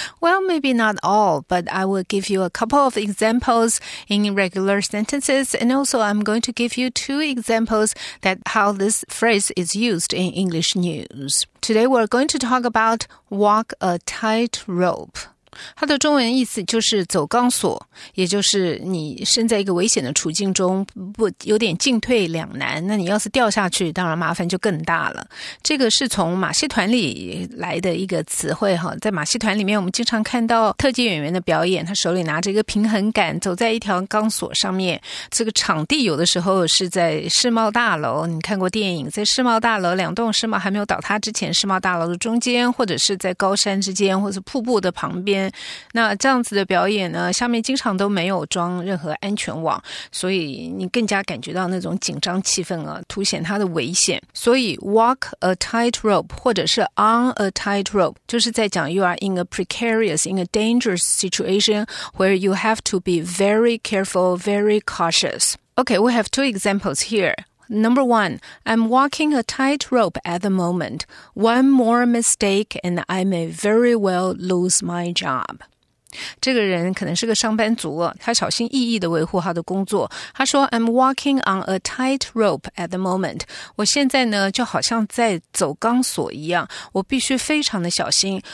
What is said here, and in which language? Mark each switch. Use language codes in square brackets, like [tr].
[en] Well, maybe not all, but I will give you a couple of examples in regular sentences, and also I'm going to give you two examples that how this phrase is used in English news. Today, we're going to talk about walk a tightrope. [zh] 它的中文意思就是走钢索，也就是你身在一个危险的处境中，不有点进退两难，那你要是掉下去，当然麻烦就更大了。这个是从马戏团里来的一个词汇，在马戏团里面我们经常看到特技演员的表演，他手里拿着一个平衡杆走在一条钢索上面。这个场地有的时候是在世贸大楼，你看过电影，在世贸大楼两栋世贸还没有倒塌之前，世贸大楼的中间，或者是在高山之间，或者是瀑布的旁边，那这样子的表演呢，下面经常都没有装任何安全网，所以你更加感觉到那种紧张气氛啊，凸显它的危险。所以 [en] walk a tightrope [zh] 或者是 [en] on a tightrope [zh] 就是在讲 [en] you are in a precarious, in a dangerous situation where you have to be very careful, very cautious. Okay, we have two examples here. Number one, I'm walking a tightrope at the moment. One more mistake and I may very well lose my job. [zh] 这个人可能是个上班族，他小心翼翼地维护他的工作。 [en] 他说 I'm walking on a tightrope at the moment. [zh] 我现在呢就好像在走钢索一样，我必须非常的小心。